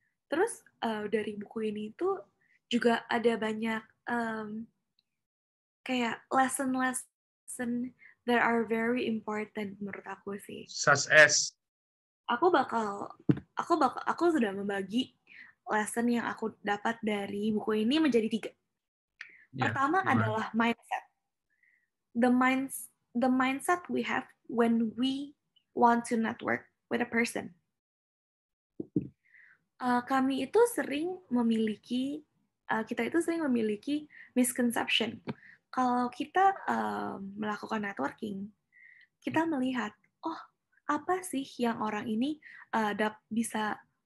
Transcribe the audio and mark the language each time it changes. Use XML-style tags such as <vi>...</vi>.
<id>Terus dari buku ini itu juga ada banyak kayak lesson-lesson</id> <en>that are very important</en> <id>menurut aku sih.</id> <en>Such as?</en> <id>Aku sudah membagi lesson yang aku dapat dari buku ini menjadi 3. Pertama adalah mindset.</id> <en>The mindset we have when we want to network with a person.</en> <id>Kita itu sering memiliki misconception. Kalau kita melakukan networking, kita melihat, oh, apa sih yang orang ini bisa</id>